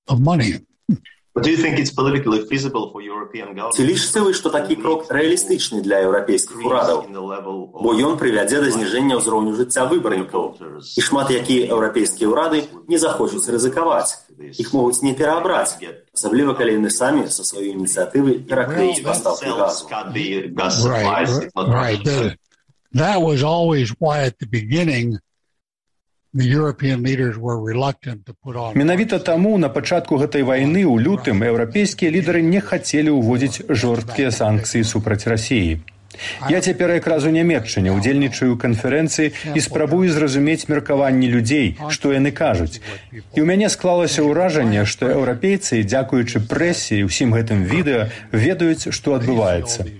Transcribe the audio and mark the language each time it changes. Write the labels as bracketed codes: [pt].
[en] But do you think it's politically feasible for European governments? [be] Ці лічыце вы, што такі крок рэалістычны для еўрапейскіх урадаў? Бо ён прывядзе да зніжэння ўзроўню жыцця выбаркаў. І шмат якія еўрапейскія ўрады не захочуць рызыкаваць. Іх могуць не пераабраць, асабліва калі яны самі са сваёй ініцыятывы перакрыюць пастаўку газу. [en] Right. That was always why at the beginning the European leaders were reluctant to put on. [be] Менавіта таму на пачатку гэтай вайны ў лютым еўрапейскія лідары не хацелі ўводзіць жорсткія санкцыі супраць Расіі. Я цяпер якраз у Нямеччыне удзельнічаю ў канферэнцыі і спрабую зразумець меркаванні людзей, што яны кажуць. І ў мяне склалася ўражанне, што еўрапейцы, дзякуючы прэсе і ўсім гэтым відэа, ведаюць, што адбываецца.